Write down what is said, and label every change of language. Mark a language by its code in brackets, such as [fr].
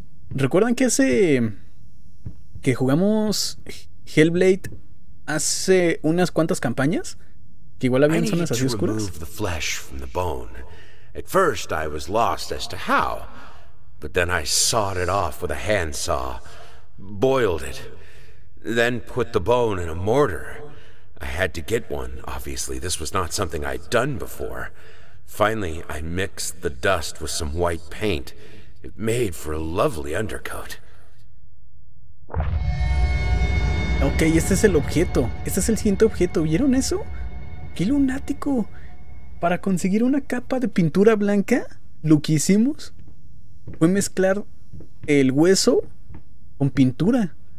[es] ¿Recuerdan que que jugamos Hellblade hace unas cuantas campañas? Que igual habían zonas así oscuras. [en] Remove the flesh from the bone. At first I was lost as to how, but then I sawed it off with a handsaw, boiled it, then put the bone in a mortar. I had to get one, obviously. This was not something I'd done before. Finally, I mixed the dust with some white paint. It made for a lovely undercoat. [es] Ok, este es el objeto. Este es el siguiente objeto. ¿Vieron eso? ¡Qué lunático! Para conseguir una capa de pintura blanca, lo que hicimos fue mezclar el hueso con pintura.